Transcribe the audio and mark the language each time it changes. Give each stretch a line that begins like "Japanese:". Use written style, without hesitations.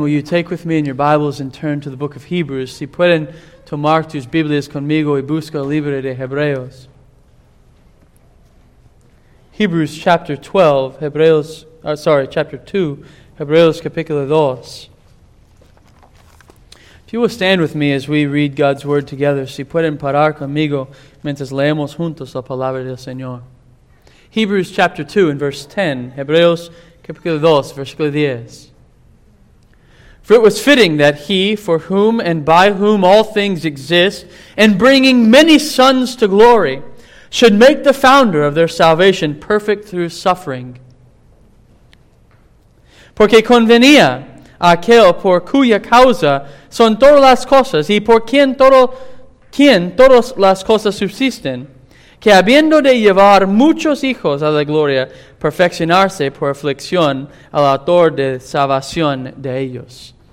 English: Will you take with me in your Bibles and turn to the book of Hebrews?
Spanish: Si pueden tomar tus Biblias conmigo y busca el libro de Hebreos.
English: Hebrews chapter 12, chapter 2,
Spanish: Hebreos capítulo 2.
English: If you will stand with me as we read God's word together,
Spanish: si pueden parar conmigo mientras leemos juntos la palabra del Señor.
English: Hebrews chapter 2 and verse 10,
Spanish: Hebreos capítulo 2, versículo 10.
English: For it was fitting that he, for whom and by whom all things exist, and bringing many sons to glory, should make the founder of their salvation perfect through suffering.
Spanish: Porque convenía aquel por cuya causa son todas las cosas, y por quien todas las cosas subsisten, que habiendo de llevar muchos hijos a la gloria, perfeccionarse por aflicción al autor de salvación de ellos.